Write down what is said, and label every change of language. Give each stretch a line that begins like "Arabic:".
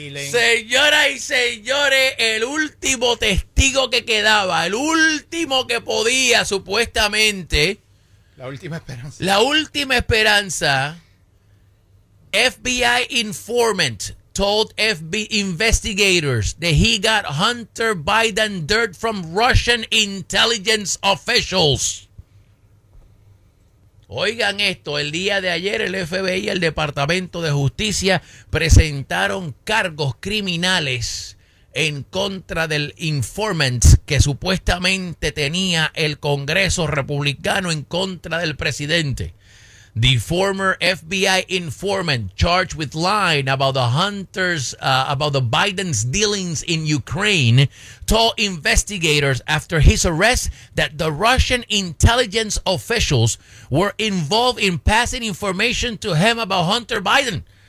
Spanish: Señoras y señores, el último testigo que quedaba, el último que podía supuestamente. La última esperanza.
English: FBI informant told FBI investigators that he got Hunter Biden dirt from Russian intelligence officials.
Spanish: Oigan esto, el día de ayer el FBI y el Departamento de Justicia presentaron cargos criminales en contra del informant que supuestamente tenía el Congreso Republicano en contra del presidente.
English: The former FBI informant charged with lying about the Hunter's, about the Biden's dealings in Ukraine, told investigators after his arrest that the Russian intelligence officials were involved in passing information to him about Hunter Biden.